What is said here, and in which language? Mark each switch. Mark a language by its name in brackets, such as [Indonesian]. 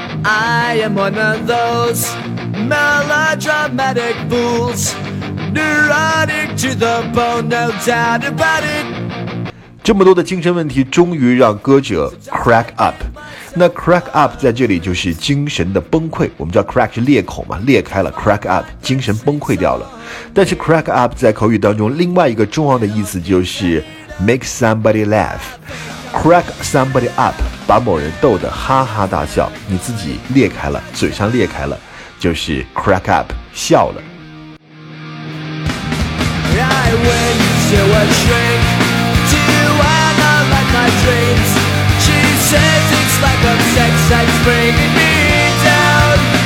[English] I am one of those melodramatic fools, neurotic to the bone, no doubt about it. [Chinese] 这么多的精神问题终于让歌者 [English] crack up。 [Chinese] 那 [English] crack up [Chinese] 在这里就是精神的崩溃，我们叫 crack 是裂口嘛，裂开了 crack up， 精神崩溃掉了。但是 crack up 在口语当中另外一个重要的意思就是 [English] make somebody laugh， crack somebody up， [Chinese] 把某人逗得哈哈大笑，你自己裂开了，嘴上裂开了，就是 crack up， 笑了。 [English] I went to a shrink to analyze my dreams. She says it's like a sex that's bringing me down.